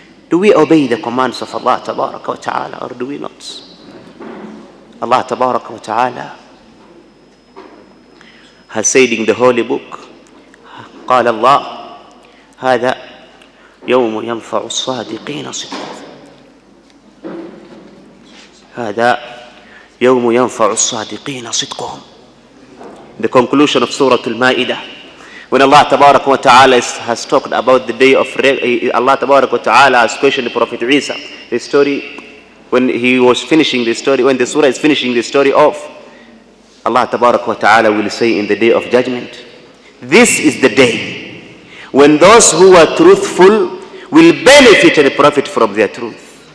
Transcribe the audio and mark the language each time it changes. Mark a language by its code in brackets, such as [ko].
[en] Do we obey the commands of Allah tabaraka wa ta'ala, or do we not? Allah tabaraka wa ta'ala has said in the holy book, [ar] qala Allah, hadha يوم ينفع الصادقين صدقهم. هذا يوم ينفع الصادقين صدقهم. [en] The conclusion of Surah Al-Ma'idah, when Allah Tabarak wa Ta'ala has talked about the day of Allah Tabarak wa Ta'ala has questioned Prophet Isa, the story, when he was finishing the story, when the surah is finishing the story of Allah Tabarak wa Ta'ala will say in the day of judgment, this is the day when those who were truthful will benefit and profit from their truth.